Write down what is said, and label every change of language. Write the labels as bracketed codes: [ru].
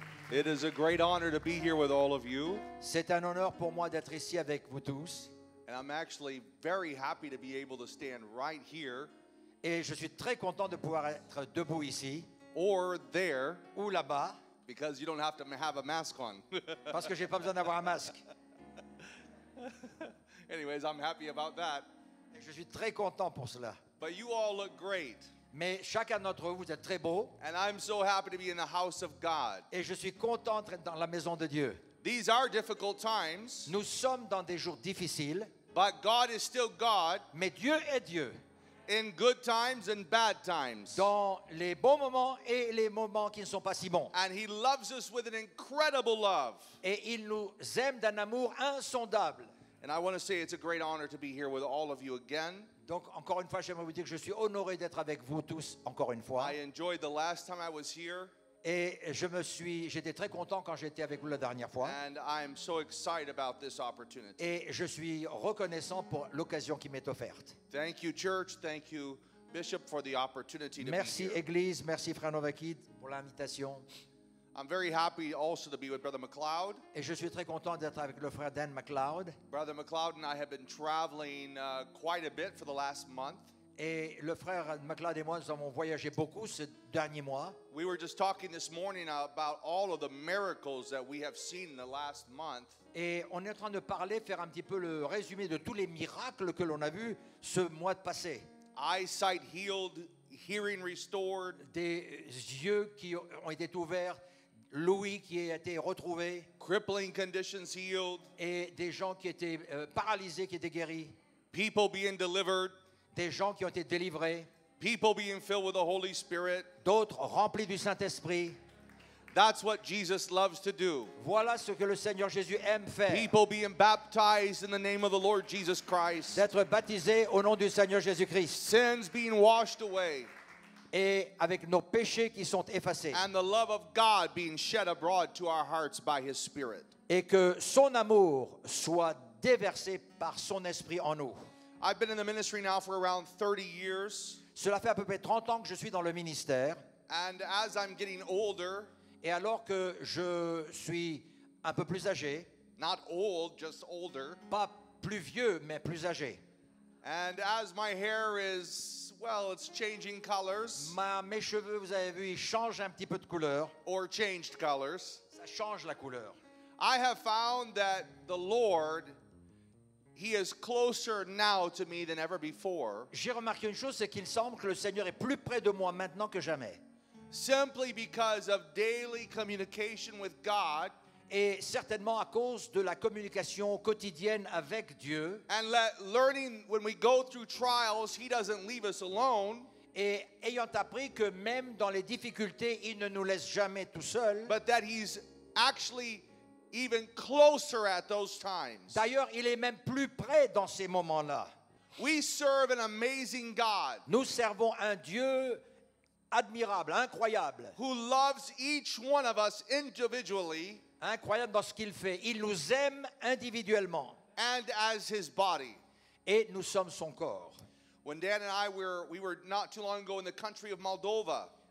[en] It is a great honor to be here with all of you. [fr] C'est un honneur pour moi d'être ici avec vous tous. [en] And I'm actually very happy to be able to stand right here. [fr] Et je suis très content de pouvoir être debout ici. [en] Or there. [fr] Ou là-bas. [en] Because you don't have to have a mask on. [fr] Parce que j'ai pas besoin d'avoir un masque. [en] Anyways, I'm happy about that. [fr] Et je suis très content pour cela. [en] But you all look great. [fr] Mais chacun d'entre vous, vous êtes très beau. [en] And I'm so happy to be in the house of God. [fr] Et je suis content d'être dans la maison de Dieu. [en] These are difficult times. [fr] Nous sommes dans des jours difficiles. [en] But God is still God. [fr] Mais Dieu est Dieu. [en] In good times and bad times. [fr] Dans les bons moments et les moments qui ne sont pas si bons. [en] And he loves us with an incredible love. [fr] Et il nous aime d'un amour insondable. [en] And I want to say it's a great honor to be here with all of you again. [fr] Donc encore une fois, j'aimerais vous dire que je suis honoré d'être avec vous tous encore une fois. [en] I enjoyed the last time I was here. [fr] Et j'étais très content quand j'étais avec vous la dernière fois. [en] And I'm so excited about this opportunity. [fr] Et je suis reconnaissant pour l'occasion qui m'est offerte. [en] Thank you, church. Thank you, Bishop, for the opportunity to be here. [fr] Merci, Église. Merci, Frère Novaki, pour l'invitation. [en] I'm very happy also to be with Brother McLeod. [fr] Et je suis très content d'être avec le frère Dan McLeod. [en] Brother McLeod and I have been traveling quite a bit for the last month. [fr] Et le frère McLeod et moi, nous avons voyagé beaucoup ce dernier mois. [en] We were just talking this morning about all of the miracles that we have seen in the last month. [fr] Et on est en train de parler, faire un petit peu le résumé de tous les miracles que l'on a vus ce mois de passé. [en] Eyesight healed, hearing restored. [fr] Des yeux qui ont été ouverts. Louis qui a été retrouvé. [en] Crippling conditions healed. [fr] Et des gens qui étaient paralysés, qui étaient guéris. [en] People being delivered. [fr] Des gens qui ont été délivrés. [en] People being filled with the Holy Spirit. [fr] D'autres remplis du Saint-Esprit. [en] That's what Jesus loves to do. [fr] Voilà ce que le Seigneur Jésus aime faire. [en] People being baptized in the name of the Lord Jesus Christ. [fr] D'être baptisés au nom du Seigneur Jésus-Christ. [en] Sins being washed away. [fr] Et avec nos péchés qui sont effacés. [en] And the love of God being shed abroad to our hearts by His Spirit. [fr] Et que son amour soit déversé par son esprit en nous. [en] I've been in the ministry now for around 30 years. [fr] Cela fait à peu près 30 ans que je suis dans le ministère. [en] And as I'm getting older, [fr] et alors que je suis un peu plus âgé, [en] not old, just older, [fr] pas plus vieux, mais plus âgé. [en] And as my hair is, well, it's changing colors. [fr] Mes cheveux, vous avez vu, ils changent un petit peu de couleur. [en] Or changed colors. [fr] Ça change la couleur. [en] I have found that the Lord, He is closer now to me than ever before. [fr] J'ai remarqué une chose, c'est qu'il semble que le Seigneur est plus près de moi maintenant que jamais. [en] Simply because of daily communication with God. [fr] Et certainement à cause de la communication quotidienne avec Dieu. [en] And learning when we go through trials, He doesn't leave us alone. [fr] Et ayant appris que même dans les difficultés, il ne nous laisse jamais tout seul. [en] But that He's actually even closer at those times. [fr] D'ailleurs, il est même plus près dans ces moments-là. [en] We serve an amazing God. [fr] Nous servons un Dieu admirable, incroyable. [en] Who loves each one of us individually. [fr] Incroyable dans ce qu'il fait. Il nous aime individuellement. [en] And as his body. [fr] Et nous sommes son corps. [en] When Dan and I were not too long ago in the country of Moldova.